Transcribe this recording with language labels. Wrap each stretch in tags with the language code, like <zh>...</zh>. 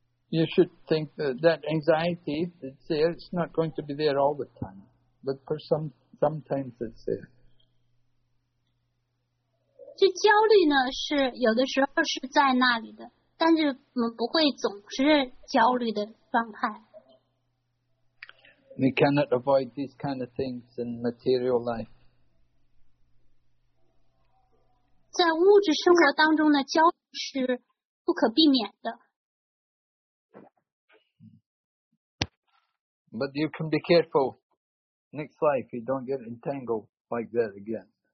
<en>You should think that anxiety, it's there, it's not going to be there all the time. But for sometimes it's there.</en> <zh>这焦虑呢,是有的时候是在那里的, 但是不会总是焦虑的状态。</zh> <en>We cannot avoid these kind of things in material life.</en> <zh>在物质生活当中的焦虑是不可避免的。</zh> <en>But you can be careful next life, you don't get entangled like that again.</en>